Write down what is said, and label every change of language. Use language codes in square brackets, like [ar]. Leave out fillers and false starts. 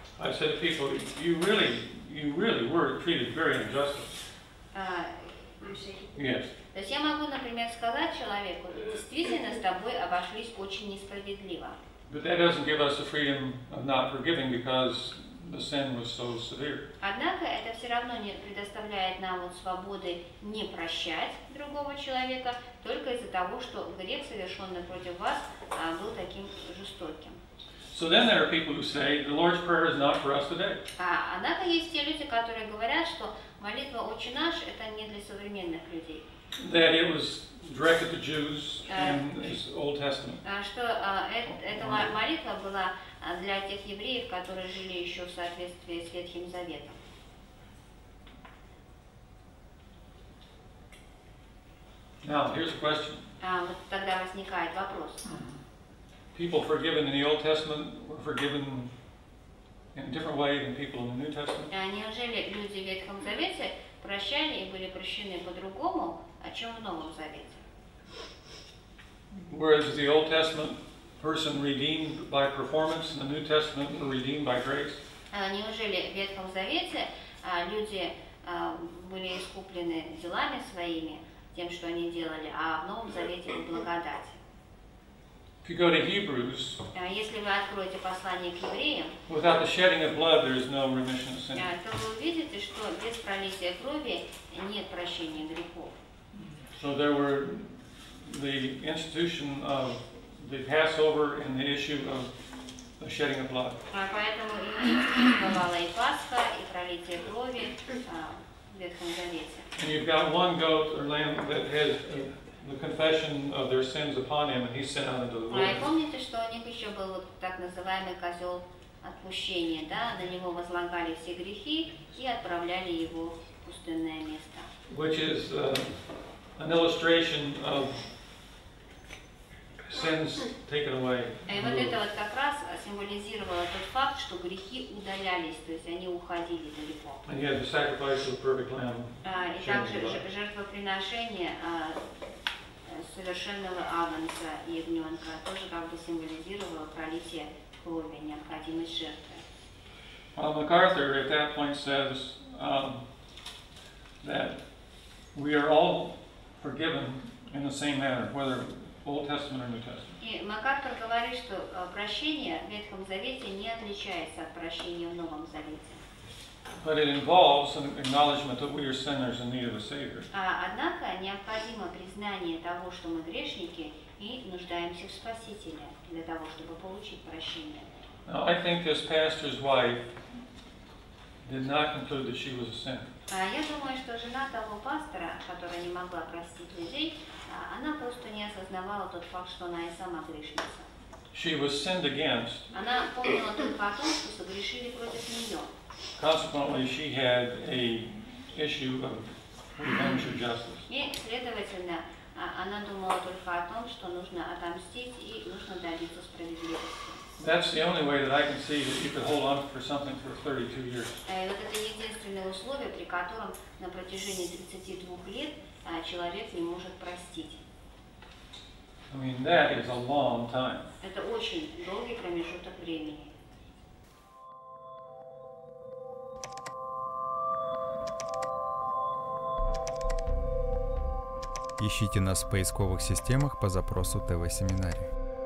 [en] I said to people, you really were treated very unjustly. Yes. [ru] То есть я могу, например, сказать человеку, действительно с тобой обошлись очень несправедливо. [en] But that doesn't give us the freedom of not forgiving because the sin was so severe. [ru] Однако это все равно не предоставляет нам вот свободы не прощать другого человека только из-за того, что грех, совершенный против вас, был таким жестоким. [en] So then there are people who say the Lord's Prayer is not for us today. [ru] Однако есть те люди, которые говорят, что молитва «Отче наш» это не для современных людей. [en] That it was directed to Jews in the Old Testament. [ru] Что эта молитва была для тех евреев, которые жили еще в соответствии с Ветхим Заветом. [en] Now here's a question. [ru] Вот тогда возникает вопрос. [en] People forgiven in the Old Testament were forgiven in a different way than people in the New Testament. [ru] Неужели люди в Ветхом Завете прощали и были прощены по-другому, чем в Новом Завете? [en] Whereas the Old Testament person redeemed by performance, the New Testament were redeemed by grace. [ru] Неужели в Ветхом Завете люди были искуплены делами своими, тем, что они делали, а в Новом Завете благодать? [en] If you go to Hebrews, [ru] если вы откроете послание к евреям, [en] without the shedding of blood, there is no remission of sin. [ru] То вы увидите, что без пролития крови нет прощения грехов. [en] So there were the institution of the Passover and the issue of the shedding of blood. [ru] Поэтому и существовала и Пасха, и пролитие крови в Ветхом Завете. [en] And you've got one goat or lamb that has the confession of their sins upon him, and he sent out into the wilderness. [ru] А помните, что у них еще был так называемый козел отпущения, да? На него возлагали все грехи и отправляли его в пустынное место. [en] Which is an illustration of sins taken away. [ru] И вот это вот как раз символизировало тот факт, что грехи удалялись, то есть они уходили далеко. [en] And yet the sacrifice of the perfect lamb. [ru] И также жертвоприношение совершенного агнца и ягненка тоже как бы символизировало пролитие крови, необходимость жертвы. [en] Well, MacArthur at that point says that we are all forgiven in the same manner, whether Old Testament or New Testament. [ru] И MacArthur говорит, что прощение в Ветхом Завете не отличается от прощения в Новом Завете. [en] But it involves an acknowledgement that we are sinners in need of a Savior. [ru] Однако необходимо признание того, что мы грешники и нуждаемся в Спасителе для того, чтобы получить прощение. [en] Now, I think this pastor's wife did not conclude that she was a sinner. [ru] Я думаю, что жена того пастора, которая не могла простить людей, она просто не осознавала тот факт, что она и сама грешница. [en] She was sinned against. [ru] Она помнила тот факт, что согрешили против нее. [en] Consequently, she had an issue of revenge or justice. [ru] И, следовательно, она думала только о том, что нужно отомстить и нужно добиться справедливости. [en] That's the only way that I can see that you could hold on for something for 32 years. [ru] Вот это единственное условие, при котором на протяжении 32 лет человек не может простить. [en] I mean, that is a long time. [ru] Это очень долгий промежуток времени. Ищите нас в поисковых системах по запросу ТВ-семинария.